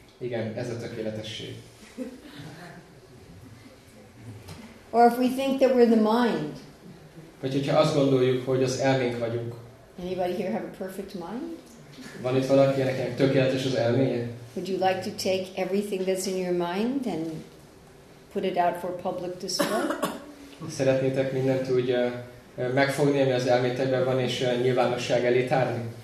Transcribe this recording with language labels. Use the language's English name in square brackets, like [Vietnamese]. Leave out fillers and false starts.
[Hungarian] Igen, ez a tökéletesség. [English] Or if we think that we're the mind. [Hungarian] Vagy hogyha azt gondoljuk, hogy az elménk vagyunk. [English] Anybody here have a perfect mind? [Hungarian] Van itt valaki, akinek tökéletes az elméje? [English] Would you like to take everything that's in your mind and put it out for public display? [Hungarian] Szeretnétek mindent úgy megfogni, ami az elmétekben van, és nyilvánosság elé tárni?